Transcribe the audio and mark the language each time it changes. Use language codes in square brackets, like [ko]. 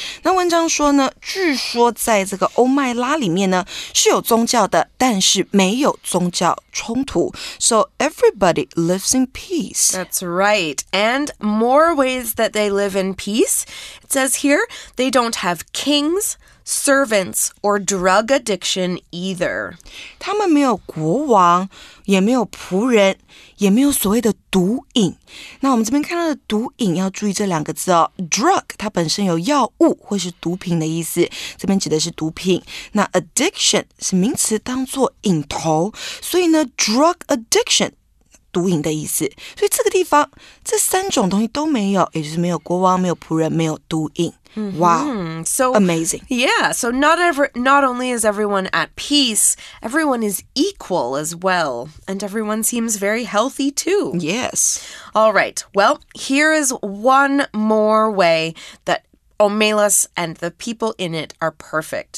[zh] 那文章说呢，据说在这个欧麦拉里面呢是有宗教的，但是没有宗教冲突。 [en] So everybody lives in peace. That's right. And more ways that they live in peace. It says here, they don't have kings,servants or drug addiction either. [zh] 他们没有国王，也没有仆人，也没有所谓的毒瘾。那我们这边看到的毒瘾，要注意这两个字哦。Drug 它本身有药物或是毒品的意思，这边指的是毒品。那 addiction 是名词，当作瘾头，所以呢 ，drug addiction。毒瘾的意思，所以这个地方这三种东西都没有，也就是没有国王，没有仆人，没有毒瘾。 [en] Wow, so amazing. Yeah, so not only is everyone at peace, everyone is equal as well, and everyone seems very healthy too. Yes. All right. Well, here is one more way that Omelas and the people in it are perfect.